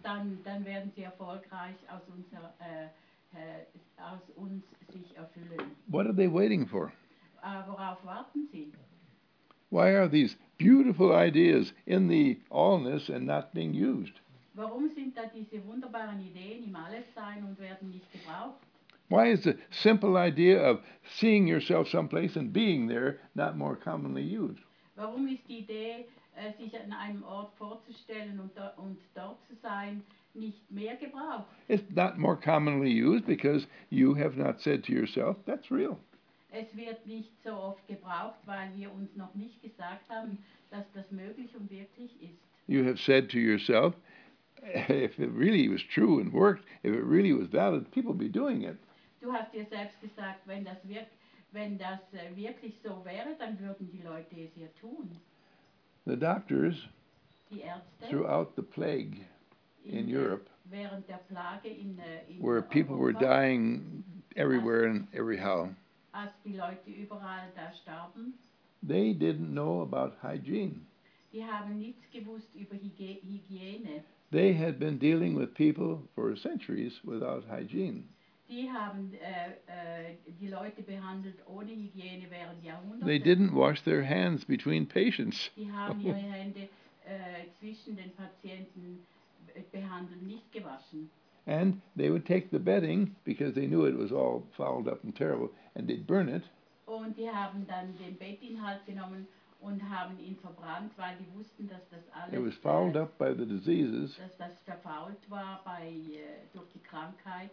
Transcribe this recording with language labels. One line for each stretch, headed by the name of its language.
German: Dann werden sie erfolgreich aus uns sich erfüllen.
English: What are they waiting for?
German: Worauf warten sie?
English: Why are these beautiful ideas in the allness and not being used?
German: Warum sind da diese wunderbaren Ideen im Allessein und werden nicht gebraucht?
English: Why is the simple idea of seeing yourself someplace and being there not more commonly used?
German: Warum ist die Idee, sich an einem Ort vorzustellen und dort zu sein, nicht mehr gebraucht?
English: It's not more commonly used because you have not said to yourself, that's real.
German: Es wird nicht so oft gebraucht, weil wir uns noch nicht gesagt haben, dass das möglich und wirklich ist.
English: You have said to yourself, if it really was true and worked, if it really was valid, people would be doing it.
German: Du hast dir selbst gesagt, wenn das wirklich so wäre, dann würden die Leute es ja tun.
English: The doctors,
German: die Ärzte,
English: throughout the plague in Europe,
German: während der Plage in
English: where
German: Europa,
English: people were dying everywhere and everyhow,
German: als die Leute überall da starben,
English: they didn't know about hygiene.
German: Die haben nichts gewusst über Hygiene.
English: They had been dealing with people for centuries without hygiene.
German: Die haben die Leute behandelt ohne Hygiene während Jahrhunderten.
English: They didn't wash their hands between patients.
German: Die haben ihre Hände zwischen den Patienten behandelt, nicht gewaschen.
English: And they would take the bedding because they knew it was all fouled up and terrible, and they'd burn it.
German: Und die haben dann den Bettinhalt genommen und haben ihn verbrannt, weil die wussten, dass das alles.
English: It was fouled up by the diseases.
German: Dass das verfault war bei durch die Krankheit.